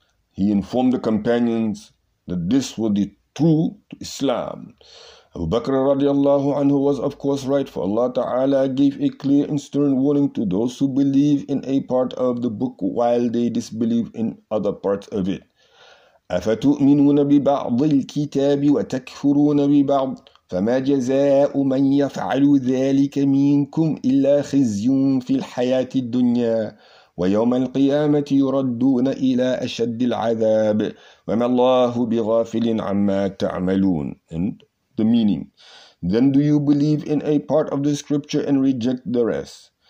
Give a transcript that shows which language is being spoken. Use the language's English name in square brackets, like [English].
[English] He informed the companions that this was the true to Islam. Abu Bakr radiallahu anhu was of course right, for Allah Ta'ala gave a clear and stern warning to those who believe in a part of the book while they disbelieve in other parts of it. [Arabic] أفتؤمنون ببعض الكتاب وتكفرون ببعض فما جزاء من يفعل ذلك منكم إلا خزي في الحياة الدنيا ويوم القيامة يردون إلى أشد العذاب وما الله بغافل عما تعملون. [English] And the meaning: then do you believe in a part of the scripture and reject the rest?